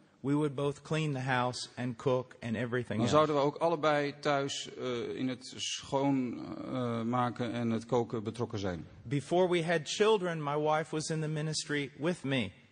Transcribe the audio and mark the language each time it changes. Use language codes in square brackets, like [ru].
[en] we would both clean the house and cook and everything [nl] dan [en] else. [nl] Zouden we ook allebei thuis in het schoon maken en het koken betrokken zijn. [en] Before we had children, my wife was in the ministry with me.